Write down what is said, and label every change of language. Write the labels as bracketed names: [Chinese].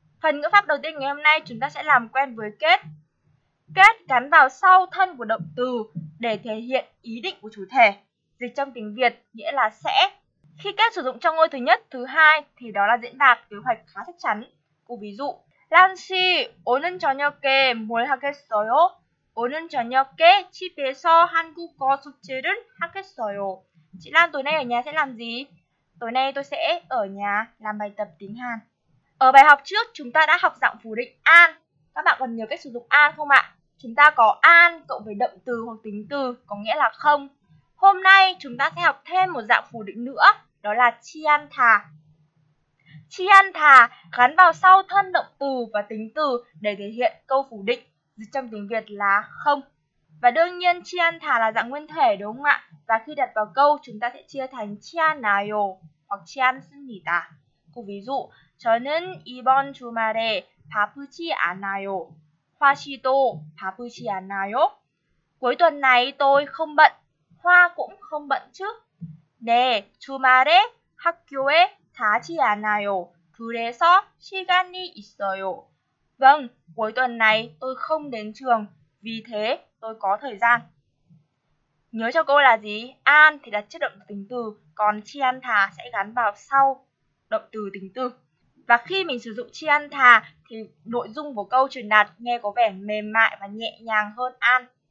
[Vietnamese] Phần ngữ pháp đầu tiên ngày hôm nay chúng ta sẽ làm quen với kết. Kết gắn vào sau thân của động từ để thể hiện ý định của chủ thể. Dịch trong tiếng Việt nghĩa là sẽ. Khi kết sử dụng trong ngôi thứ nhất, thứ hai thì đó là diễn đạt kế hoạch khá chắc chắn. Cụ ví dụ. [Korean] 란 씨, 오늘 저녁에 뭘 하겠어요? 오늘 저녁에 집에서 한국어 숙제를 하겠어요. [Vietnamese] Chị Lan tối nay ở nhà sẽ làm gì? Tối nay tôi sẽ ở nhà làm bài tập tiếng Hàn. Ở bài học trước chúng ta đã học giọng phủ định an. Các bạn còn nhớ cách sử dụng an không ạ? Chúng ta có an cộng với động từ hoặc tính từ có nghĩa là không. Hôm nay chúng ta sẽ học thêm một dạng phủ định nữa, đó là chi an thà. Chi an thà gắn vào sau thân động từ và tính từ để thể hiện câu phủ định, dịch trong tiếng Việt là không. Và đương nhiên chi an thà là dạng nguyên thể đúng không ạ? Và khi đặt vào câu chúng ta sẽ chia thành chi an nào hoặc chi an sinh nhỉ ta. Cụ ví dụ, [Korean] 저는 이번 주말에 바쁘지 않아요. 화 씨도 바쁘지 않아요? [Vietnamese] Cuối tuần này tôi không bận. Hoa cũng không bận chứ. [Korean] 네, 주말에 학교에 가지 않아요. 그래서 시간이 있어요. [Vietnamese] Vâng, cuối tuần này tôi không đến trường. Vì thế tôi có thời gian. Nhớ cho cô là gì? An thì đặt trước động từ tính từ. Còn chi an thà sẽ gắn vào sau động từ tính từ. Và khi mình sử dụng chi an thà thì nội dung của câu truyền đạt nghe có vẻ mềm mại và nhẹ nhàng hơn an.